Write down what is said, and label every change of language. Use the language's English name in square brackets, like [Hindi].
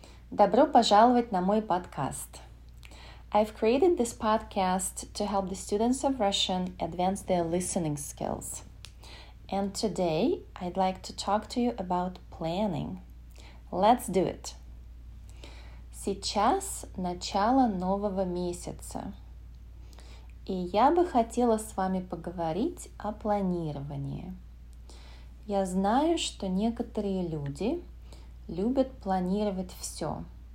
[Russian] Добро пожаловать на мой подкаст. [English] I've created this podcast to help the students of Russian advance their listening skills. And today I'd like to talk to you about planning. Let's do it! [Russian] Сейчас начало нового месяца. И я бы хотела с вами поговорить о планировании. Я знаю, что некоторые люди любят планировать все.